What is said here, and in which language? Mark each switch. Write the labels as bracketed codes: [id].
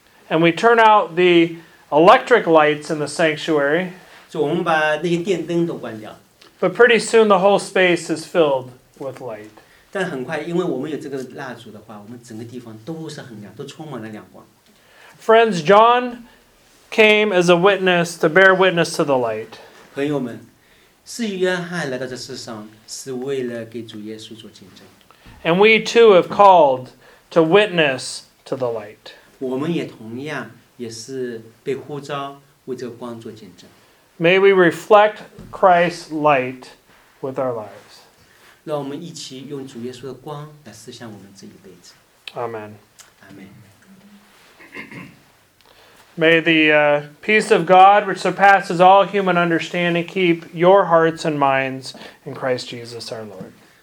[en] And we turn out the electric lights in the sanctuary. [zh] 就我们把那些电灯都关掉。 [en] But pretty soon the whole space is filled with light. [zh] 但很快，因为我们有这个蜡烛的话，我们整个地方都是很亮，都充满了亮光。 [en] Friends, John came as a witness to bear witness to the light. [zh] 朋友们。是约翰来到这世上，是为了给主耶稣做见证。 [en] And we too have called to witness to the light. [zh] 我们也同样也是被呼召为这个光做见证。 [en] May we reflect Christ's light with our lives. [zh] 让我们一起用主耶稣的光来思想我们这一辈子。 [en] Amen. Amen. May the peace of God, which surpasses all human understanding, keep your hearts and minds in Christ Jesus our Lord.